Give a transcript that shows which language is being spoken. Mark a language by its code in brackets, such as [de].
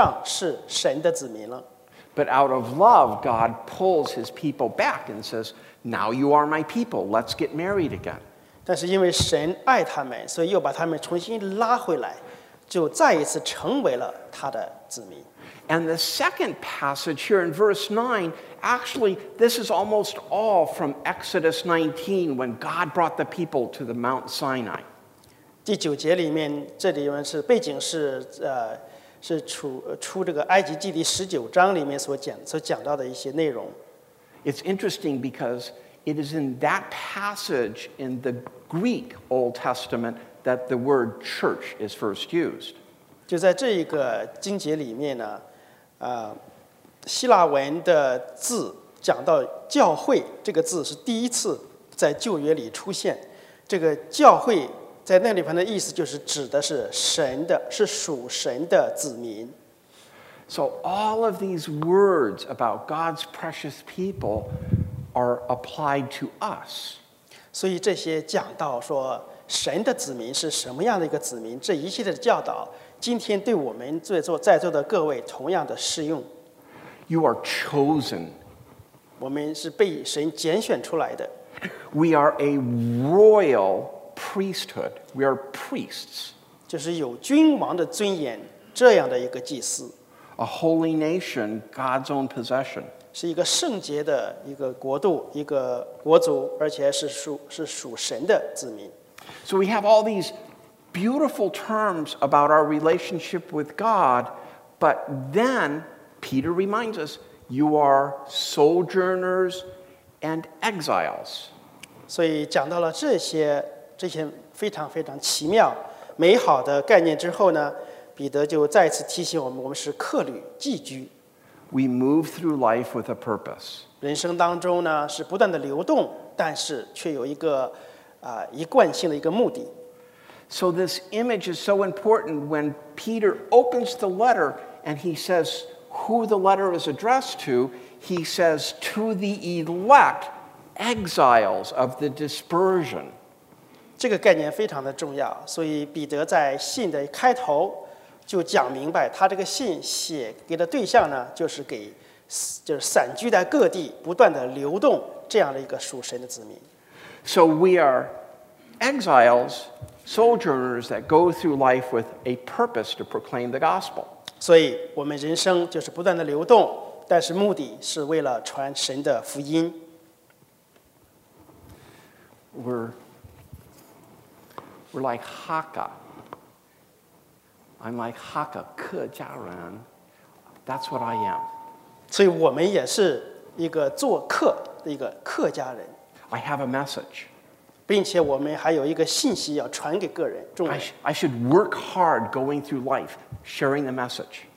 [zh] 所以以色列人离开了神的时候呢,他就算不上是神的子民了。 [en] But out of love, God pulls his people back and says, now you are my people, let's get married again. [zh] 但是因为神爱他们,所以又把他们重新拉回来。就再一次成为了他的子民。 [en] And the second passage here in verse 9, actually, this is almost all from Exodus 19 when God brought the people to the Mount Sinai. [zh] 第九节里面,这里面是背景是出这个埃及记第19章里面所讲到的一些内容。 [en] It's interesting because It is in that passage in the Greek Old Testament that the word church is first used. [zh] 就在这一个经节里面呢，希腊文的字讲到教会这个字是第一次在旧约里出现。这个教会在那里边的意思就是指的是神的，是属神的子民。 [en] So all of these words about God's precious people are applied to us. [zh] 所以这些讲到说神的子民是什么样的一个子民，这一切的教导今天对我们在座的各位同样的适用。 [en] You are chosen. [zh] 我们是被神拣选出来的。 [en] We are a royal priesthood. We are priests. [zh] 就是有君王的尊严这样的一个祭司。 [en] A holy nation, God's own possession. [zh] 是一个圣洁的一个国度，一个国族，而且是属神的子民。 [en] So we have all these beautiful terms about our relationship with God, but then Peter reminds us, you are sojourners and exiles. [zh] 所以讲到了这些非常非常奇妙、美好的概念之后呢，彼得就再次提醒我们，我们是客旅、寄居。 [en] We move through life with a purpose. [zh] 人生当中呢，是不断的流动，但是却有一个一贯性的一个目的。 [en] So this image is so important when Peter opens the letter and he says who the letter is addressed to, he says to the elect exiles of the dispersion. [zh] 这个概念非常的重要，所以彼得在信的开头就讲明白，他这个信写给的对象呢，就是散居在各地不断的流动这样的一个属神的子民。 [en] So we are exiles, sojourners that go through life with a purpose to proclaim the gospel. [zh] 所以我们人生就是不断的流动，但是目的是为了传神的福音。 [en] We're like Hakka. I'm like Hakka, 客家人. That's what I am. [zh] 所以我们也是一个做客的一个客家人。 [en] I have a message. [zh] 并且我们还有一个信息要传给个人。 [en] I should work hard going through life, sharing the message.